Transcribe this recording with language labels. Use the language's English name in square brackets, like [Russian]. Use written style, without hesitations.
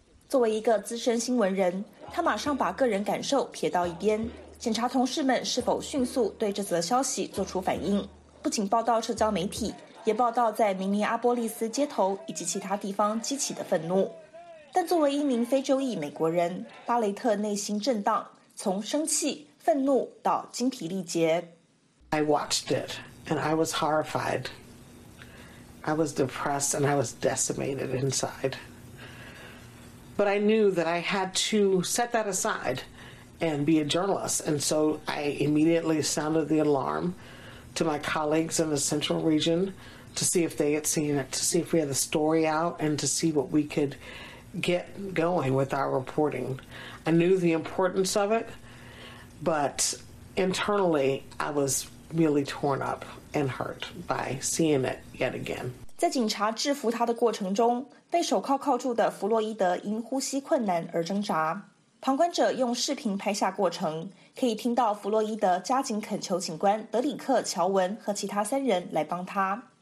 [Chinese] 作为一个资深新闻人，他马上把个人感受撇到一边，检查同事们是否迅速对这则消息做出反应，不仅报道社交媒体，也报道在明尼阿波利斯街头以及其他地方激起的愤怒。但作为一名非洲裔美国人，巴雷特内心震荡，从生气、愤怒到精疲力竭。 [English] I watched it, and I was horrified. I was depressed, and I was decimated inside. But I knew that I had to set that aside and be a journalist, and so I immediately sounded the alarm to my colleagues in the central region to see if they had seen it, to see if we had the story out, and to see what we could get going with our reporting. I knew the importance of it, but internally I was really torn up and hurt by seeing it yet again. [Chinese] 在警察制服他的过程中，被手铐铐住的弗洛伊德因呼吸困难而挣扎。旁观者用视频拍下过程，可以听到弗洛伊德加紧恳求警官德里克·乔文和其他三人来帮他。